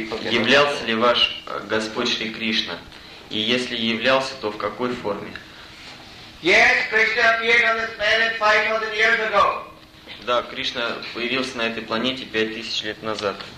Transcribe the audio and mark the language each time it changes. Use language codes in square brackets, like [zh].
[ru] Являлся ли ваш Господь Шри Кришна? И если являлся, то в какой форме? [en] Yes, Krishna appeared on this planet 5,000 years ago. [ru] Да, Кришна появился на этой планете 5,000 лет назад.